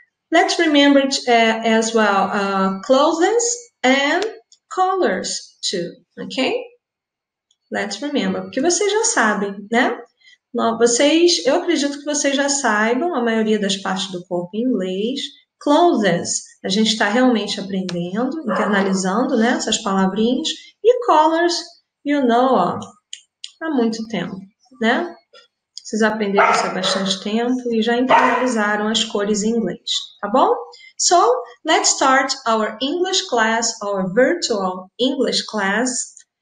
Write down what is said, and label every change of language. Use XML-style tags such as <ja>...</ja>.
<en>Let's remember as well clothes and colors too, ok? Let's remember,</en> <pt>porque vocês já sabem, né? Eu acredito que vocês já saibam a maioria das partes do corpo em inglês. Clothes, a gente está realmente aprendendo, internalizando, né, essas palavrinhas. E colors,</pt> <en>you know,</en> <pt>ó, há muito tempo, né? Vocês aprenderam isso há bastante tempo e já internalizaram as cores em inglês, tá bom?</pt> <en>So, let's start our English class, our virtual English class.</en>